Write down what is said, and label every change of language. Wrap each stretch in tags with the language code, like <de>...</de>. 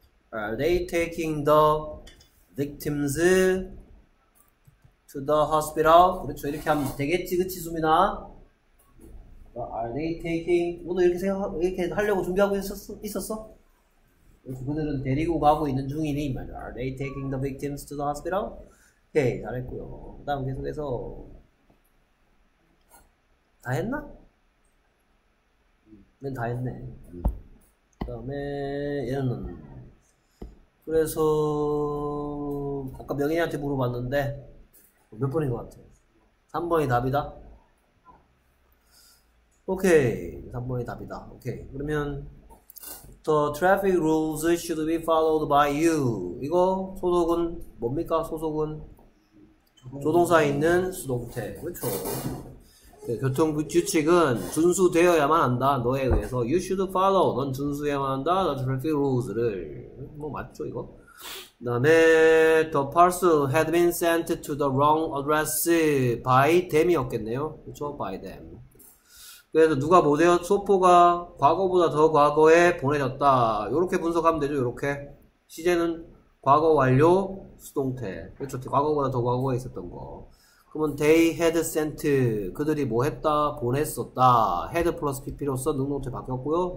<en>Are they taking the victims to the hospital?</en> <ko>그렇죠. 이렇게 하면 되겠지, 그치, 수민아?</ko> <en>Are they taking?</en> <ko>너도 이렇게 생각 이렇게 하려고 준비하고 있었어? 그들은 데리고 가고 있는 중이니 말이야.</ko> <en>Are they taking the victims to the hospital?</en> <ko>오케이, 잘했고요. 그다음 계속해서 다 했나? 얘는 다 했네. 그다음에 얘는 그래서 아까 명인이한테 물어봤는데 몇 번인 것 같아? 3번이 답이다. 오케이, 3번이 답이다. 오케이, 그러면</ko> <en>The traffic rules should be followed by you.</en> <ko>이거 소속은 뭡니까? 소속은 조동사에 있는 수동태. 그렇죠. 네, 교통 규칙은 준수되어야만 한다. 너에 의해서</ko> <en>you should follow.</en> <ko>넌 준수해야만 한다.</ko> <en>The traffic rules</en> <ko>를 뭐 맞죠 이거? 그다음에</ko> <en>the parcel had been sent to the wrong address by them이었겠네요.</en> <ko>그렇죠?</ko> <en>by them.</en> <ko>그래서 누가 뭐되었 소포가 과거보다 더 과거에 보내졌다 요렇게 분석하면 되죠. 요렇게 시제는 과거 완료 수동태. 그렇죠. 과거보다 더 과거에 있었던 거. 그러면</ko> <en>they had sent</en> <ko>그들이 뭐 했다 보냈었다 had 플러스 pp로서 능동태 바뀌었고요.</ko>